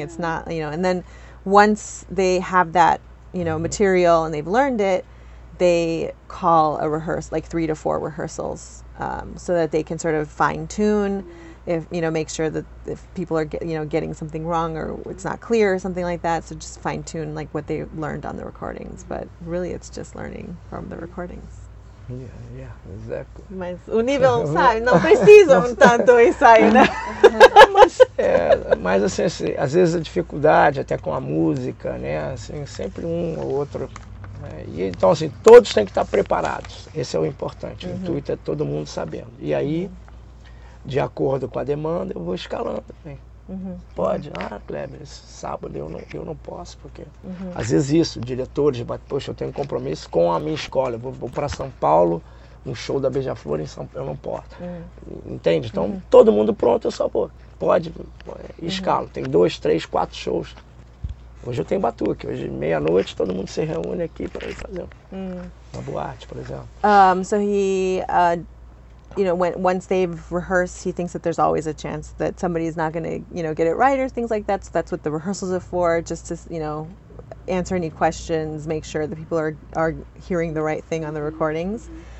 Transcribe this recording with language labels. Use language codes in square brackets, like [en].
[en] It's not, and then once they have that, material and they've learned it, they call a rehearsal, like 3 to 4 rehearsals, so that they can sort of fine tune. If make sure that if people are getting something wrong or it's not clear or something like that, so just fine tune like what they learned on the recordings. But really, it's just learning from the recordings. Yeah, exactly. [pt] Mas o nível sai, não precisa tanto ensaio, né? Mas assim, às vezes a dificuldade até com a música, né? Assim, sempre um ou outro, E, então, assim, todos têm que estar preparados. Esse é o importante. Uhum. O intuito é todo mundo sabendo. E aí, de acordo com a demanda, eu vou escalando. Uhum. Pode? Ah, Kleber, sábado eu não posso, porque... Uhum. Às vezes isso, diretores, poxa, eu tenho um compromisso com a minha escola. Eu vou para São Paulo, um show da Beija-Flor em São Paulo, eu não posso. Uhum. Entende? Então, uhum, todo mundo pronto, eu só vou. Pode, escalo. Uhum. Tem 2, 3, 4 shows. Hoje eu tenho batuque. Hoje, meia-noite, todo mundo se reúne aqui para fazer uma boate, por exemplo. [en] So he, you know, once they've rehearsed, he thinks that there's always a chance that somebody is not going to, you know, get it right or things like that. So that's what the rehearsals are for, just to, you know, answer any questions, make sure that people are hearing the right thing on the recordings.